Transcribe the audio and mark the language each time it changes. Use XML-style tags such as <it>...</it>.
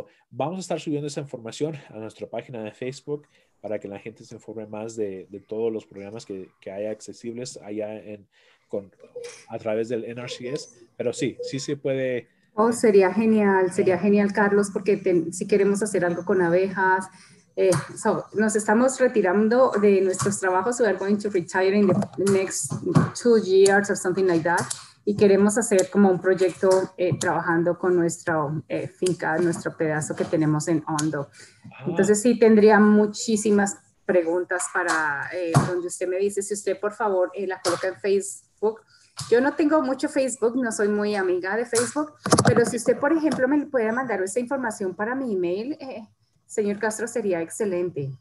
<es>Vamos a estar subiendo esa información a nuestra página de Facebook para que la gente se informe más de todos los programas que hay accesibles allá a través del NRCS. Pero sí se puede. Oh, sería genial, Carlos, porque si queremos hacer algo con abejas, nos estamos retirando de nuestros trabajos.</es> <en>So we are going to retire in the next 2 years or something like that.</en> <es>Y queremos hacer como un proyecto trabajando con nuestra finca, nuestro pedazo que tenemos en Hondo. Entonces, sí, tendría muchísimas preguntas para donde usted me dice, si usted por favor la coloca en Facebook. Yo no tengo mucho Facebook, no soy muy amiga de Facebook, pero si usted, por ejemplo, me puede mandar esa información para mi email, señor Castro, sería excelente.</es>